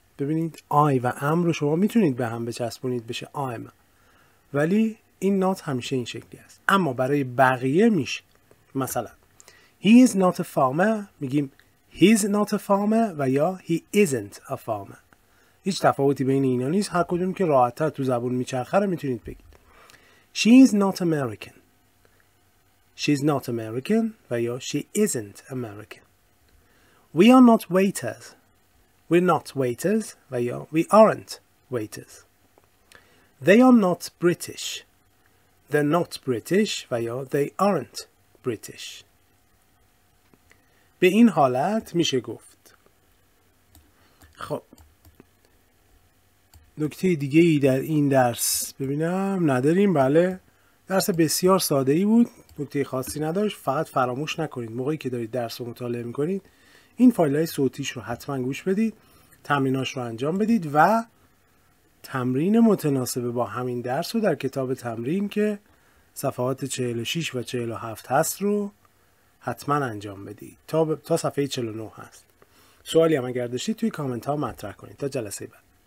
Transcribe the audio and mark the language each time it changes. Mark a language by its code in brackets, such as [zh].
[fa] ببینید I و am رو شما میتونید به هم بچسبونید بشه am، ولی این not همیشه این شکلی است. اما برای بقیه میشه مثلا [en] He is not a farmer، [fa] میگیم [en] He's not a farmer [fa] و یا [en] He isn't a farmer. هیچ تفاوتی بین اینا نیست، هر کدوم که راحت‌تر تو زبون میچرخه رو میتونید بگید. She is not American، She's not American [fa] و یا [en] She isn't American. We are not waiters، We're not waiters [fa] و یا [en] We aren't waiters. They are not British، They're not British [fa] و یا [en] They aren't British. [fa] به این حالت میشه گفت. خب نکته دیگه ای در این درس ببینم نداریم؟ بله، درس بسیار ساده ای بود، نکته خاصی نداشت. فقط فراموش نکنید موقعی که دارید درس رو مطالعه میکنید این فایل های صوتیش رو حتما گوش بدید، تمریناش رو انجام بدید و تمرین متناسب با همین درس رو در کتاب تمرین که صفحات 46 و 47 هست رو حتما انجام بدید تا صفحه 49 هست. سوالی هم اگر داشتید توی کامنت ها مطرح کنید. تا جلسه بعد.